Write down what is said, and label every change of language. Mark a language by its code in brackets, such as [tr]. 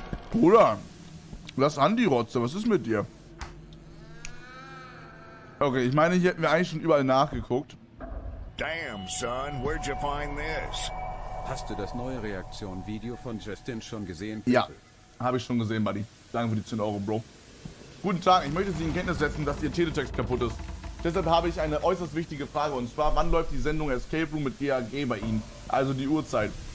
[de] Bruder, lass an die Rotze, was ist mit dir? Okay, ich meine, hier hätten wir eigentlich schon überall nachgeguckt. [en] Damn, son, where'd you find this? [de] Hast du das neue Reaktion-Video von Justin schon gesehen? Bitte? Ja, habe ich schon gesehen, Buddy. Danke für die 10 Euro, Bro. Guten Tag, ich möchte Sie in Kenntnis setzen, dass Ihr Teletext kaputt ist. Deshalb habe ich eine äußerst wichtige Frage, und zwar, wann läuft die Sendung Escape Room mit GAG bei Ihnen? Also die Uhrzeit.